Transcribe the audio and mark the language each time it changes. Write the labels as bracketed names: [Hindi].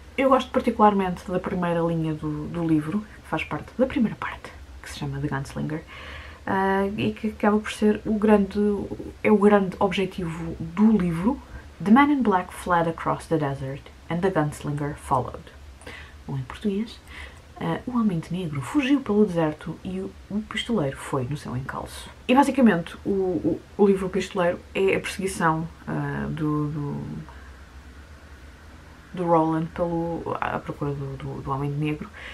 [Portuguese] Eu gosto particularmente da primeira linha do livro, que faz parte da primeira parte, que se chama The Gunslinger, e que acaba por ser é o grande objetivo do livro. [English] The man in black fled across the desert and the gunslinger followed. [Portuguese] Ou em português, o homem de negro fugiu pelo deserto e o pistoleiro foi no seu encalço. E basicamente o livro Pistoleiro é a perseguição do Roland à procura do homem de negro.